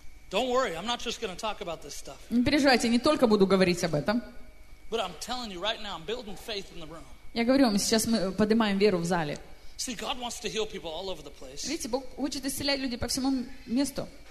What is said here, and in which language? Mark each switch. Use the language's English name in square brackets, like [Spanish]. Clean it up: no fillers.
[English] Don't worry, I'm not just going to talk about this stuff. [Russian] Не переживайте, не только буду говорить об этом. [English] But I'm telling you right now, I'm building faith in the room. [Russian] Я говорю вам, сейчас мы поднимаем веру в зале. [English] See, God wants to heal people all over the place. [Russian] Видите, Бог хочет исцелять людей по всему месту.